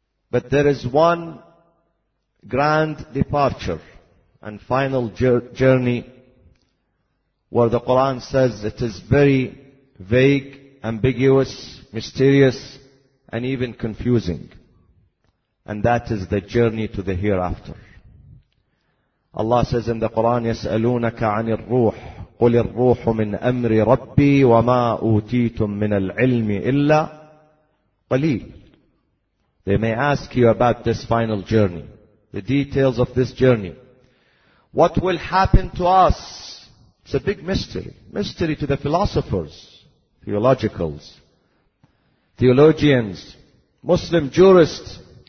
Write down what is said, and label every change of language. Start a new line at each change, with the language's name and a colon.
English: But there is one grand departure and final journey where the Quran says it is very vague, ambiguous, mysterious, and even confusing. And that is the journey to the hereafter. Allah says in the Quran,
Arabic: يَسْأَلُونَكَ عَنِ الرُّوحِ قُلِ الرُّوحُ مِنْ أَمْرِ رَبِّي وَمَا أُوتِيتُمْ مِنَ الْعِلْمِ إِلَّا قَلِيلٌ.
English: They may ask you about this final journey, the details of this journey. What will happen to us? It's a big mystery. Mystery to the philosophers, theologicals, theologians, Muslim jurists.